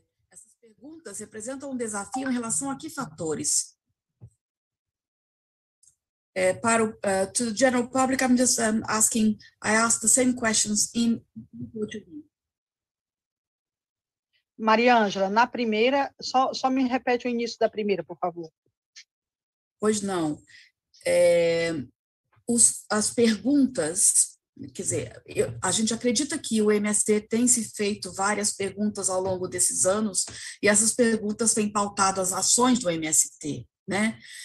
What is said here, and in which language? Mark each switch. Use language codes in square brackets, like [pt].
[pt] Essas perguntas representam desafio em relação a que fatores? [en] To the general public, I'm just asking, I asked the same questions in Portuguese. [pt] Maria Ângela, na primeira, só me repete o início da primeira, por favor. Pois não. As perguntas, quer dizer, a gente acredita que o MST tem se feito várias perguntas ao longo desses anos, e essas perguntas têm pautado as ações do MST, né?